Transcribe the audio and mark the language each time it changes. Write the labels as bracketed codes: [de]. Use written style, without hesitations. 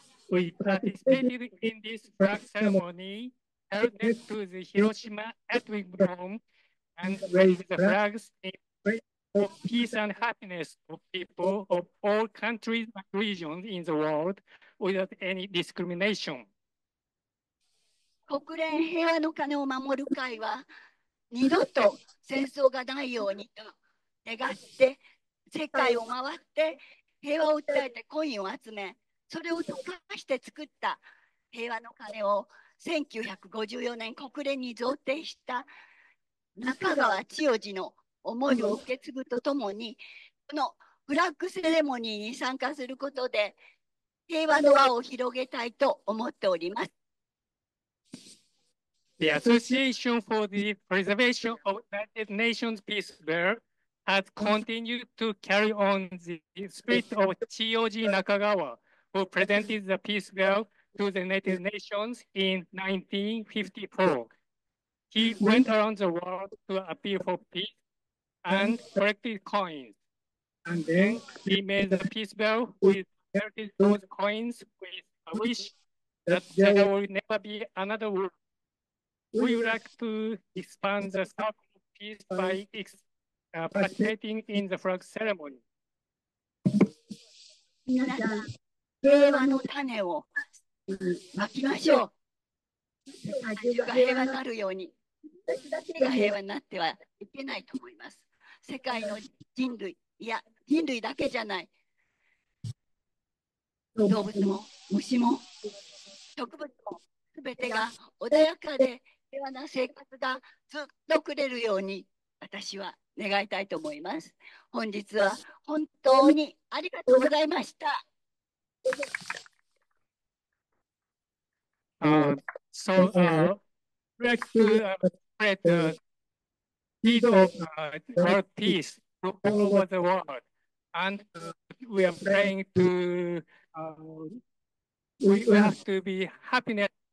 [en] We participated in this flag ceremony held next to the Hiroshima atomic bomb and raised the flags in for peace and happiness of people of all countries and regions in the world without any discrimination. [ja] 国連平和の鐘を守る会は二度と戦争がないようにと願って世界を回って平和を訴えてコインを集めそれを溶かして作った平和の鐘を1954年国連に贈呈した中川千代の思いを受け継ぐとともにこのフラッグセレモニーに参加することで平和の輪を広げたいと思っております。 [en] The Association for the Preservation of United Nations Peace Bell has continued to carry on the spirit of Chiyoji Nakagawa, who presented the Peace Bell to the United Nations in 1954. He went around the world to appeal for peace and collected coins. And then he made the Peace Bell with those coins with a wish that there will never be another war. We would like to expand the circle of peace by participating in the flag ceremony. [ja] 皆さん、平和の種をまきましょう。世界が平和になるように、私だけが平和になってはいけないと思います。世界の人類、いや、人類だけじゃない。動物も、虫も、植物も、すべてが穏やかで、平和な生活がずっとくれるように私は願いたいと思います。本日は本当にありがとうございました。 [en] So, we'd like to spread the seed of world peace all over the world, and we are praying to we have to be happiness.